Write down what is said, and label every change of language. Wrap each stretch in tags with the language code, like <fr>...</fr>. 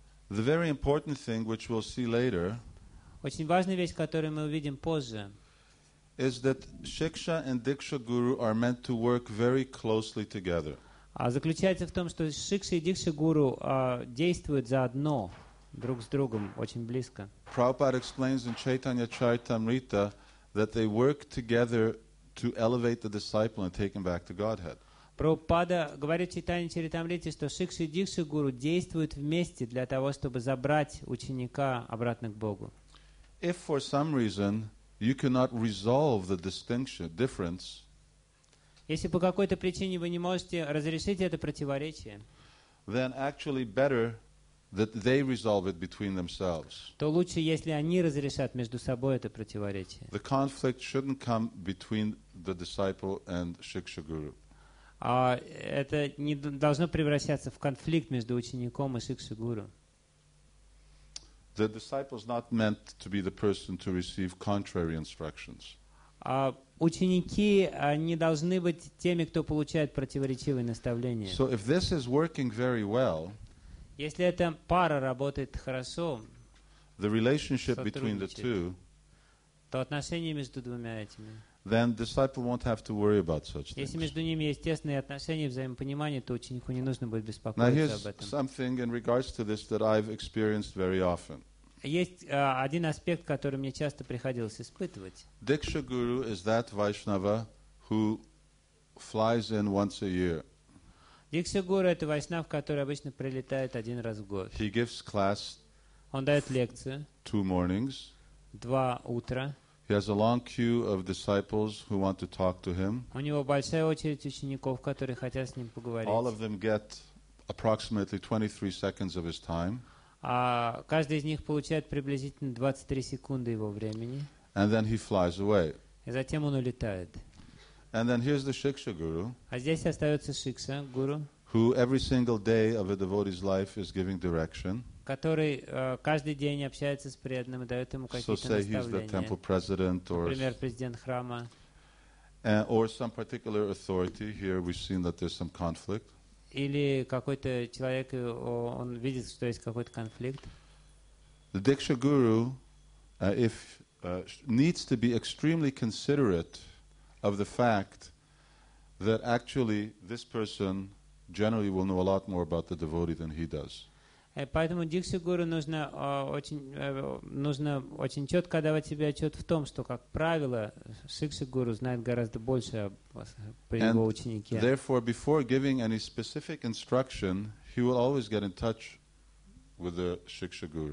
<en>The very important thing, which we'll see later,</en> <ru>очень важная вещь, которую мы увидим позже,</ru> <en>is that Shiksha and Diksha Guru are meant to work very closely together.</en> <ru>Заключается в том, что Шикша и Дикша Гуру действуют заодно, друг с другом, очень близко.</ru> <en>Prabhupada explains in Chaitanya Charitamrita that they work together to elevate the disciple and take him back to Godhead.</en> <ru>Прабхупада говорит в Чайтанья Чаритамрите, что Шикша и Дикша Гуру действуют вместе для того, чтобы забрать ученика обратно к Богу.</ru> <en>If for some reason you cannot resolve the distinction, difference,</en> <ru>если по какой-то причине вы не можете разрешить это противоречие,</ru> <en>then actually better that they resolve it between themselves.</en> <ru>То лучше, если они разрешат между собой это противоречие.</ru> <en>The conflict shouldn't come between the disciple and Shiksha Guru.</en> <ru>Это не должно превращаться в конфликт между учеником и Шикша Гуру.</ru> <en>The disciple is not meant to be the person to receive contrary instructions.</en> <ru>Ученики не должны быть теми, кто получает противоречивые наставления.</ru> <en>So if this is working very well,</en> <ru>если эта пара работает хорошо,</ru> <en>the relationship between the two,</en> <ru>то отношения между двумя этими,</ru> <en>then disciple won't have to worry about such things.</en> <ru>Если между ними есть тесные отношения, взаимопонимание, то ученику не нужно будет беспокоиться об этом.</ru> <en>Now here's something in regards to this that I've experienced very often.</en> <ru>Есть один аспект, который мне часто приходилось испытывать.</ru> <en>Diksha Guru is that Vaishnava who flies in once a year.</en> <ru>Дикша Гуру — это вайшнав, который обычно прилетает один раз в год.</ru> <en>He gives class.</en> <ru>Он дает лекцию.</ru> <en>Two mornings.</en> <ru>Два утра.</ru> <en>He has a long queue of disciples who want to talk to him.</en> <ru>У него большая очередь учеников, которые хотят с ним поговорить.</ru> <en>All of them get approximately 23 seconds of his time.</en> <ru>А каждый из них получает приблизительно 23 секунды его времени.</ru> <en>And then he flies away.</en> <ru>И затем он улетает.</ru> <en>And then here's the Shiksha guru.</en> <ru>А здесь остается Шикша гуру.</ru> <en>Who every single day of a devotee's life is giving direction.</en> <ru>Который каждый день общается с преданным и дает ему какие-то наставления.</ru> <en>So say he's the temple president or.</en> <ru>Например, президент храма.</ru> <en>Or some particular authority. Here we've seen that there's some conflict.</en> <ru>Или какой-то человек, он видит, что есть какой-то конфликт.</ru> <en>The Diksha guru, if needs to be extremely considerate of the fact that actually this person generally will know a lot more about the devotee than he does.</en> <ru>Поэтому Дикша Гуру нужно очень четко давать себе отчет в том, что, как правило, Шикша Гуру знает гораздо больше про его ученике.</ru> <en>Therefore, before giving any specific instruction, he will always get in touch with the Shiksha Guru.</en>